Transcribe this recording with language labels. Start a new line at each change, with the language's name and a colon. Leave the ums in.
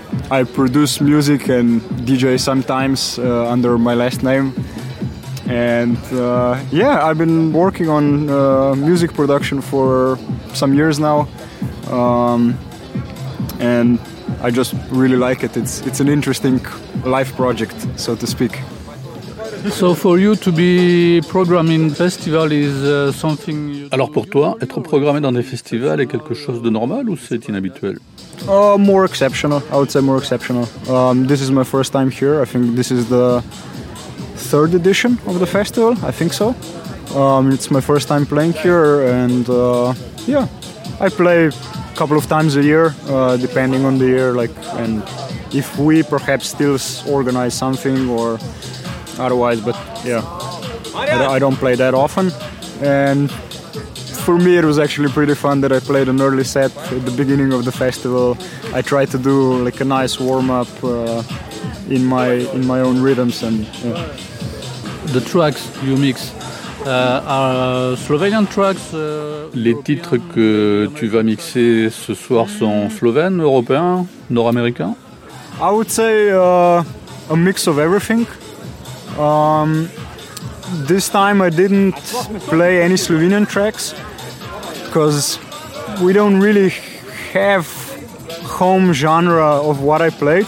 English: I produce music and DJ sometimes uh, under my last name, and uh, yeah, I've been working on uh, music production for some years now, um, and I just really like it. It's it's an interesting life project, so to speak. So for you to be programming festival is uh, something.
French: Alors pour toi, être programmé dans des festivals est quelque chose de normal ou c'est inhabituel?
English: Uh, more exceptional, I would say more exceptional. Um, this is my first time here. I think this is the third edition of the festival, I think so. Um, it's my first time playing here, and uh, yeah, I play a couple of times a year, uh, depending on the year, like, and if we perhaps still organize something or otherwise, but yeah, I don't play that often. And for me, it was actually pretty fun that I played an early set at the beginning of the festival. I tried to do like a nice warm up. Uh, in my in my own rhythms and yeah. the tracks you mix uh, are Slovenian tracks.
French: Les titres que tu vas mixer ce soir sont slovènes, européens, nord-américains.
English: I would say uh, a mix of everything. Um, this time I didn't play any Slovenian tracks because we don't really have home genre of what I played.